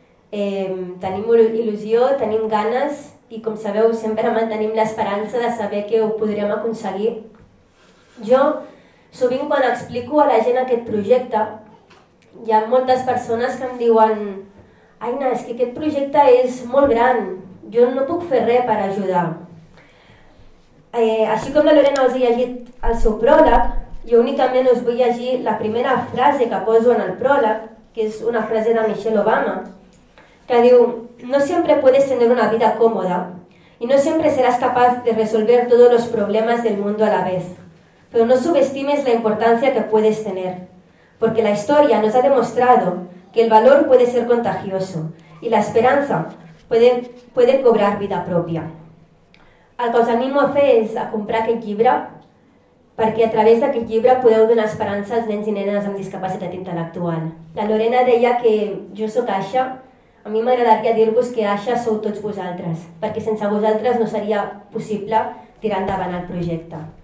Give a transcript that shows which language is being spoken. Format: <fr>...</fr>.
<ca>Tenim il·lusió, tenim ganes i, com sabeu, sempre mantenim l'esperança de saber que ho podrem aconseguir. Jo, sovint quan explico a la gent aquest projecte, hi ha moltes persones que em diuen Aina, és que aquest projecte és molt gran, jo no puc fer res per ajudar. Així com la Lorena us ha llegit el seu pròleg, jo únicament us vull llegir la primera frase que poso en el pròleg, que és una frase de Michelle Obama, que diu,</ca> <es>no siempre puedes tener una vida cómoda y no siempre serás capaz de resolver todos los problemas del mundo a la vez, pero no subestimes la importancia que puedes tener, porque la historia nos ha demostrado que el valor puede ser contagioso y la esperanza puede cobrar vida propia.</es> <ca>El que us animo a fer és a comprar aquest llibre, perquè a través d'aquest llibre podeu donar esperança als nens i nenes amb discapacitat intel·lectual. La Lorena deia que jo sóc Aixa. A mi m'agradaria dir-vos que Aixa sou tots vosaltres, perquè sense vosaltres no seria possible tirar endavant el projecte.</ca>